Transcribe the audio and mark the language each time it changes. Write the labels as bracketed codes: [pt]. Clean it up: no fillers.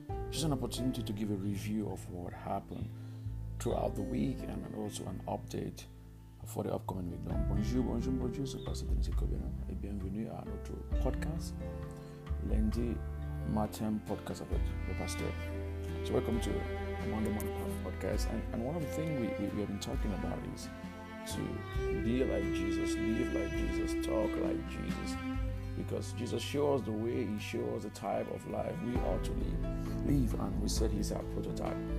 [en] Just an opportunity to give a review of what happened throughout the week and also an update for the upcoming week. [fr] Donc, bonjour, bonjour, bonjour. C'est Pastor Dennis Ekobina. Et bienvenue à notre podcast, lundi matin podcast avec le pasteur. [en] So, welcome to Monday Morning Pastor Podcast. And one of the things we have been talking about is to be like Jesus, live like Jesus, talk like Jesus, because Jesus shows us the way, he shows us the type of life we ought to live, and we said he's our prototype.